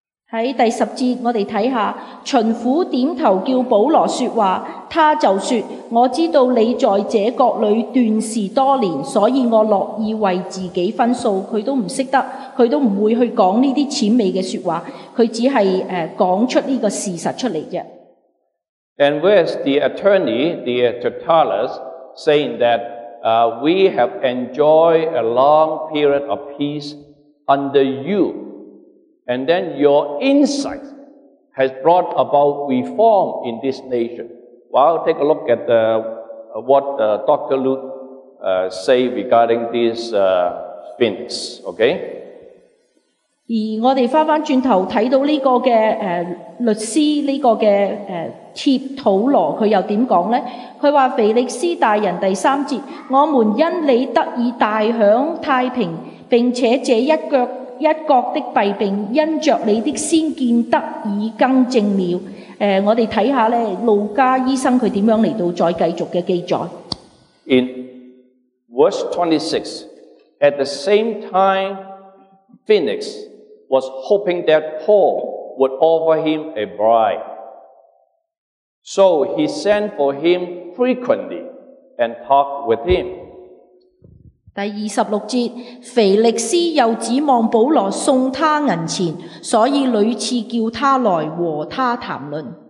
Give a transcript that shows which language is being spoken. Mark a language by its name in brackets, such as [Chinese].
[Chinese] 在第十节我们看下巡抚点头叫保罗说话他就说我知道你在这国里断事多年所以我乐意为自己分数他都不懂得他都不会去讲这些浅昧的说话他只是讲出这个事实出来而已。 [English] And where's the attorney, the Tertullus, saying that, we have enjoyed a long period of peace under you? And then your insight has brought about reform in this nation. Well, take a look at what Dr. Luke say regarding this Phoenix, okay? [Chinese] 而我们回到转头看到这个的律师这个的帖土罗他又怎么说呢他说腓力斯大人第三节我们因你得以大享太平并且这一脚一国的弊病因着你的先见得以更正了。我们看看呢路加医生他怎样来到再继续的记载。 [English] In verse 26, at the same time, Phoenix was hoping that Paul would offer him a bribe. So he sent for him frequently and talked with him. [Chinese] 第二十六节，腓力斯又指望保罗送他银钱，所以屡次叫他来和他谈论。